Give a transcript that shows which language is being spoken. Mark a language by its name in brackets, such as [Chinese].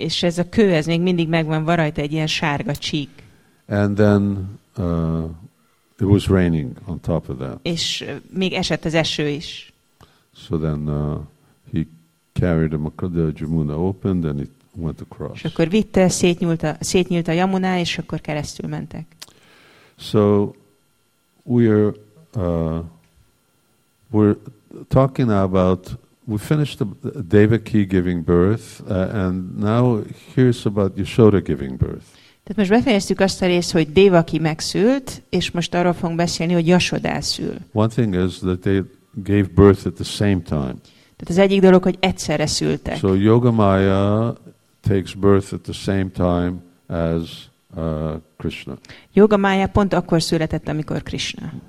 [Hungarian] És ez a kő, ez még mindig megvan rajta, egy ilyen sárga csík. [English] And then it was raining on top of that. [Hungarian] És még esett az eső is. [English] So then he carried him across the Jamuna opened and it went across. [Hungarian] És akkor vitte, szétnyílt a Jamuna, és akkor keresztül mentek. [English] So we're talking about, we finished the Devaki giving birth and now here's about Yashoda giving birth. [Hungarian] Tehát most befejeztük azt a részt, hogy Devaki megszült, és most arról fogunk beszélni, hogy Yashoda szül. [English] One thing is that they gave birth at the same time. [Hungarian] Tehát az egyik dolog, hogy egyszerre szültek. [English] So Yogamaya takes birth at the same time as Krishna. [Hungarian] Yogamaya pont akkor született, amikor Krishna.